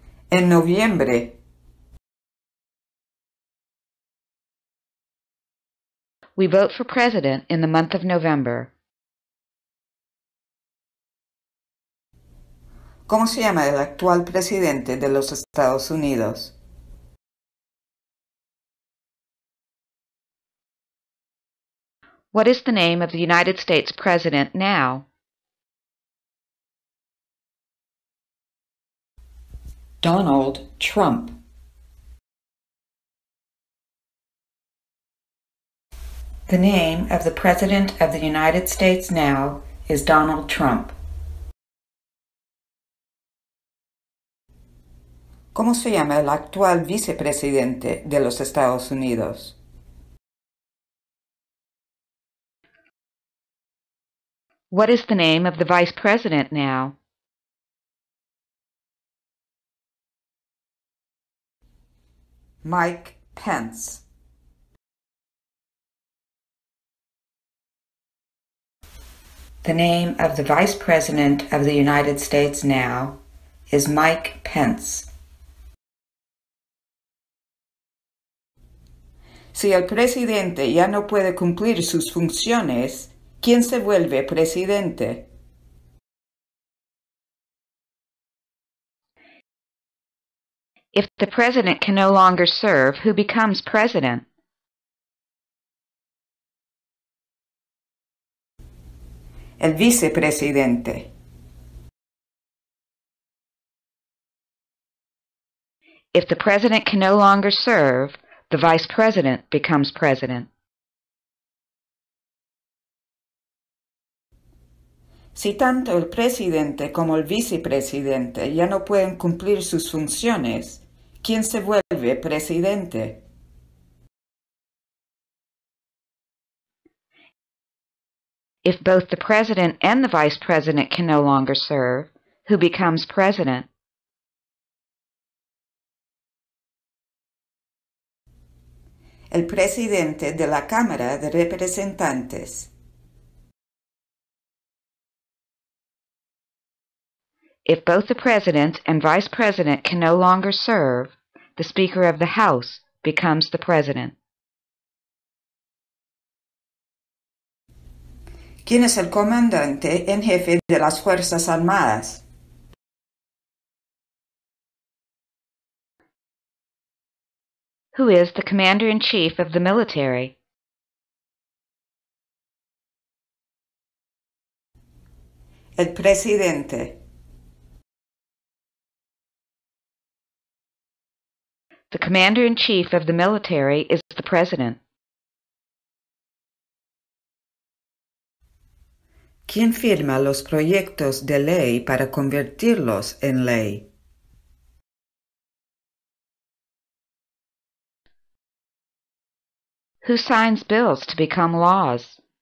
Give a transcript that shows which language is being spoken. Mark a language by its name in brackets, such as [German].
[Spanish] En noviembre. [English] We vote for president in the month of November. [Spanish] ¿Cómo se llama el actual presidente de los Estados Unidos? [English] What is the name of the United States president now? [Spanish] Donald Trump. [English] The name of the president of the United States now is Donald Trump. [Spanish] ¿Cómo se llama el actual vicepresidente de los Estados Unidos? [English] What is the name of the vice president now? [Spanish] Mike Pence. [English] The name of the vice president of the United States now is Mike Pence. [Spanish] Si el presidente ya no puede cumplir sus funciones, ¿quién se vuelve presidente? [English] If the president can no longer serve, who becomes president? [Spanish] El vicepresidente. [English] If the president can no longer serve, the vice president becomes president. [Spanish] Si tanto el presidente como el vicepresidente ya no pueden cumplir sus funciones, ¿quién se vuelve presidente? [English] If both the president and the vice president can no longer serve, who becomes president? [Spanish] el presidente de la Cámara de Representantes. [English] If both the President and Vice President can no longer serve, the Speaker of the House becomes the President. [Spanish] ¿Quién es el comandante en jefe de las Fuerzas Armadas? [English] Who is the Commander-in-Chief of the military? [Spanish] El Presidente. [English] The Commander-in-Chief of the military is the President. [Spanish] ¿Quién firma los proyectos de ley para convertirlos en ley? [English] Who signs bills to become laws?